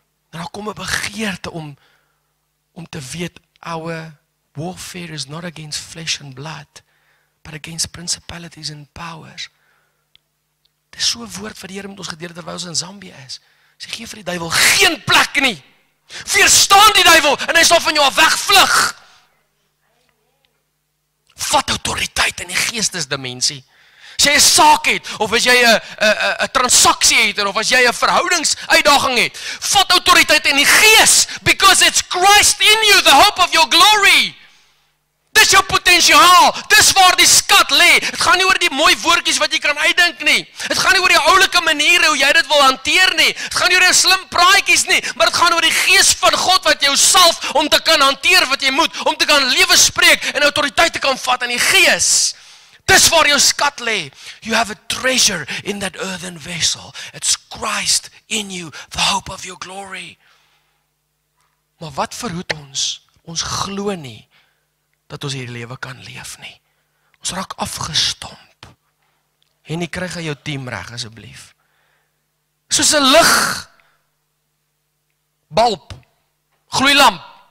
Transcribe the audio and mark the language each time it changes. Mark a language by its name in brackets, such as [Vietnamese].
[Afrikaans] En dan kom 'n begeerte om te weet, ouwe, [English] warfare is not against flesh and blood, but against principalities and powers. [Afrikaans] Dit is so 'n woord wat die Here met ons gedeel het terwyl ons in Zambië is. Sy gee vir die duiwel geen plek nie. Weerstaan die duiwel en hy sal van jou wegvlug. Vat autoriteit in die geestesdimensie. As jy 'n saak het, of as jy 'n transaksie het, of as jy 'n verhoudingsuitdaging het, vat autoriteit in die gees, [English] because it's Christ in you, the hope of your glory. [Afrikaans] Dis jou potensiaal, dis waar die skat lê. Dit gaan nie oor die mooi woordjies wat jy kan uitdink nie. Dit gaan nie oor die oulike maniere hoe jy dit wil hanteer nie. Dit gaan nie oor jou slim praatjies nie, maar dit gaan oor die gees van God wat jou salf om te kan hanteer wat jy moet, om te kan lewe spreek en autoriteit te kan vat in die gees. Dis waar jou skat lê. [English] You have a treasure in that earthen vessel. It's Christ in you, the hope of your glory. [Afrikaans] Maar wat verhoed ons? Ons glo nie dat ons hierdie lewe kan leef nie. Ons raak afgestomp. En jy kry gou jou team reg asseblief. Soos 'n lig bulb, gloeilamp.